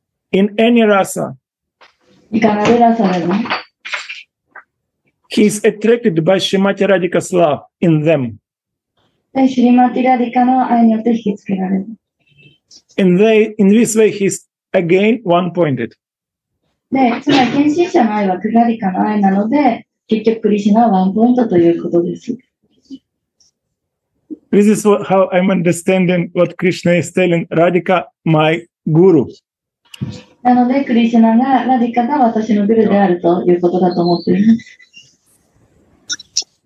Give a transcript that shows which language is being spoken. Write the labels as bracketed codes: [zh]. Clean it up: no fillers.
[en] In any rasa, [ja] いかなるラサでも、 [en] he is attracted by Srimati Radhika's love in them. [ja] Srimati Radhika の愛によって引きつけられる。 [en] In this way, he is again one-pointed. [ja] で、つまり献身者の愛はクラリカの愛なので、結局クリシナはワンポイントということです。 [en] This is what, how I'm understanding what Krishna is telling Radhika, my guru. [ja] なので、クリシナが、ラディカが私のグルであるということだと思っています。